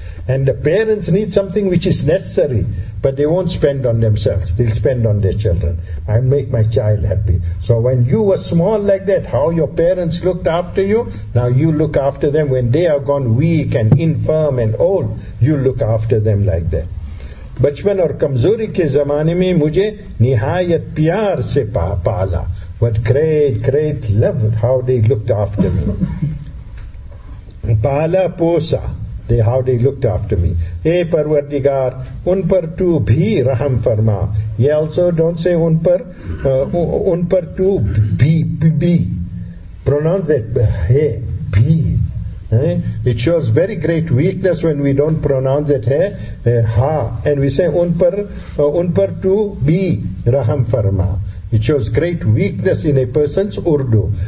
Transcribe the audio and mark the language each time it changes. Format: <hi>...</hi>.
<en>And the parents need something which is necessary, but they won't spend on themselves, they'll spend on their children. I make my child happy. So when you were small like that, how your parents looked after you, now you look after them. When they are gone weak and infirm and old, you look after them like that.</en> <hi>बचपन और कमजोरी के जमाने में मुझे निहायत प्यार से पाला.</hi> <en>What great, great love, how they looked after me.</en> <hi>पाला पोसा,</hi> <en>they, how they looked after me.</en> <hi>Hey, परवर्दिगार, उन पर तू भी रहम फरमा.</hi> <en>ये also don't say</en> <hi>उन पर तू भी.</hi> <en>Pronounce that, hey, भी. It shows very great weakness when we don't pronounce it hai, ha, and we say</en> <hi>un par tu bhi raham farma.</hi> <en>It shows great weakness in a person's Urdu.</en>